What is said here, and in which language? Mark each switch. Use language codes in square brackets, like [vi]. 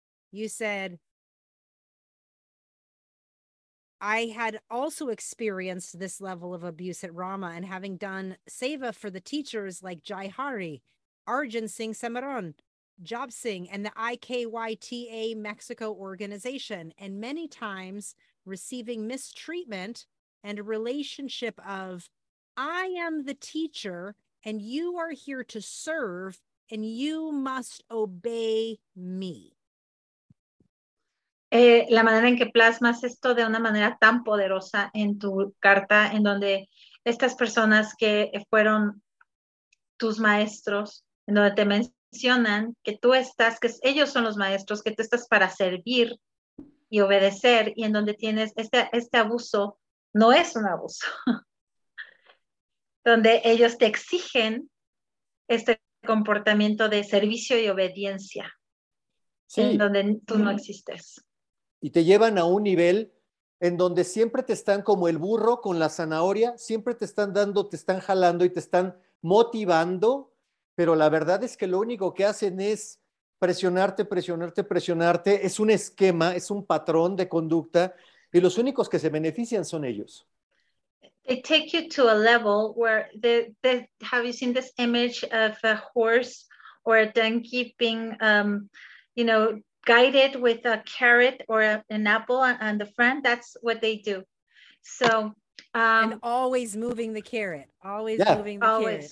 [en] You said, I had also experienced this level of abuse at Rama, and having done seva for the teachers like Jai Hari, Arjun Singh Samaran, Job Singh, and the IKYTA Mexico organization, and many times receiving mistreatment and a relationship of, I am the teacher and you are here to serve and you must obey me. [es] La manera en que plasmas esto de una manera tan poderosa en tu carta, en donde estas personas que fueron tus maestros, en donde te mencionan que tú estás, que ellos son los maestros, que tú estás para servir y obedecer, y en donde tienes este abuso, no es un abuso. Donde ellos te exigen este comportamiento de servicio y obediencia. Sí. En donde tú no existes. Y te llevan a un nivel en donde siempre te están como el burro con la zanahoria, siempre te están dando, te están jalando y te están motivando, pero la verdad es que lo único que hacen es presionarte. Es un esquema, es un patrón de conducta, y los únicos que se benefician son ellos. [en] They take you to a level where they have, you seen this image of a horse or a donkey being, you know, guided with a carrot or an apple on the front? That's what they do. So, and always moving the carrot, always yeah. moving the always.